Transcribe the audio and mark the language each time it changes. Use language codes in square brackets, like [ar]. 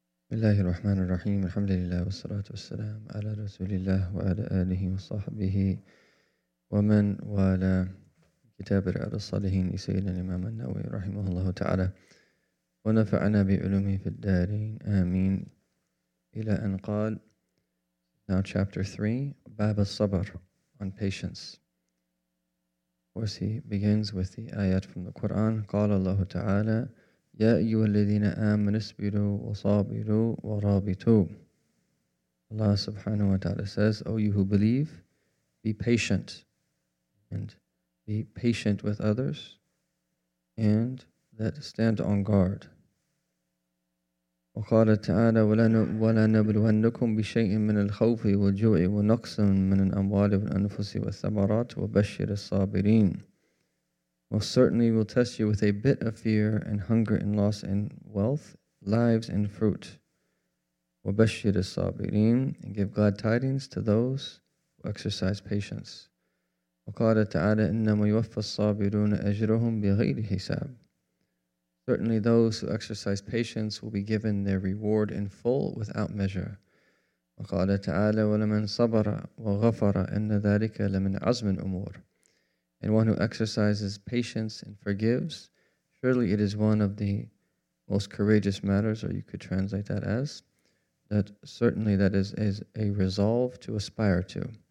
[ar] بالله الرحمن الرحيم الحمد لله والصلاة والسلام على رسول الله وعلى آله وصحبه ومن وعلى كتاب رياض الصالحين سيدنا الإمام النووي رحمه الله تعالى ونفعنا بعلومه في الدارين آمين إلى أن قال [en] Now chapter 3, Bab al-Sabr, on patience. Of course, he begins with the ayat from the Qur'an. [ar] قال الله تعالى يا أيها الذين آمنوا اصبروا وصابروا ورابطوا. [en] Allah subhanahu wa ta'ala says, O you who believe, be patient. And be patient with others. And that stand on guard. [ar] وقال تعالى ولنبلونكم بشيء من الخوف والجوع ونقص من الأموال والأنفس والثمرات وبشر الصابرين. [en] Most certainly will test you with a bit of fear and hunger and loss in wealth, lives and fruit. [ar] وبشر الصابرين [en] and give glad tidings to those who exercise patience. [ar] وقال تعالى إنما يوفى الصابرون أجرهم بغير حساب. [en] Certainly those who exercise patience will be given their reward in full without measure. وقال تعالى [ar] وَلَمَنْ صَبَرَ وَغَفَرَ إِنَّ ذَلِكَ لَمِنْ عَزْمِ الْأُمُورِ [en] And one who exercises patience and forgives, surely it is one of the most courageous matters, or you could translate that as, that certainly that is a resolve to aspire to.